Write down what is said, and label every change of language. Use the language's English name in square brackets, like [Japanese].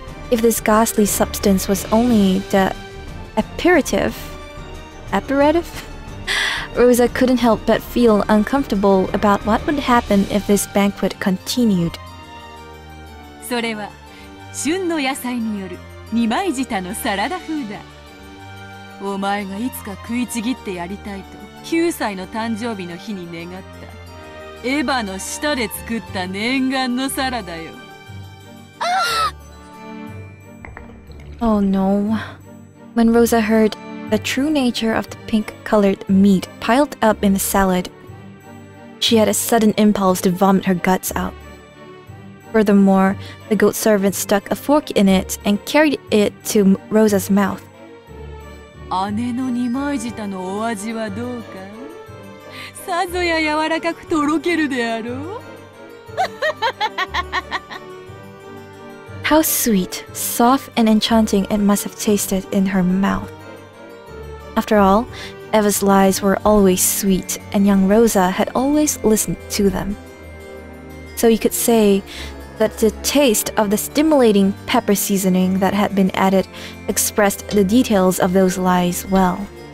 [English] If this ghastly substance was only the apparative? Rosa couldn't help but feel uncomfortable about what would happen if this banquet continued. [Japanese] それは旬の野菜による二枚舌のサラダ風だ。お前がいつか食いちぎってやりたいと9歳の誕生日の日に願ったエヴァの舌で作った念願のサラダよ。 [English] Oh no. When Rosa heard the true nature of the pink-colored meat piled up in the salad, she had a sudden impulse to vomit her guts out. Furthermore, the goat servant stuck a fork in it and carried it to Rosa's mouth. [Japanese] 姉の二枚舌のお味はどうか?さぞや柔らかくとろけるであろう? [English] How sweet, soft, and enchanting it must have tasted in her mouth. After all, Eva's lies were always sweet, and young Rosa had always listened to them. So you could say that the taste of the stimulating pepper seasoning that had been added expressed the details of those lies well.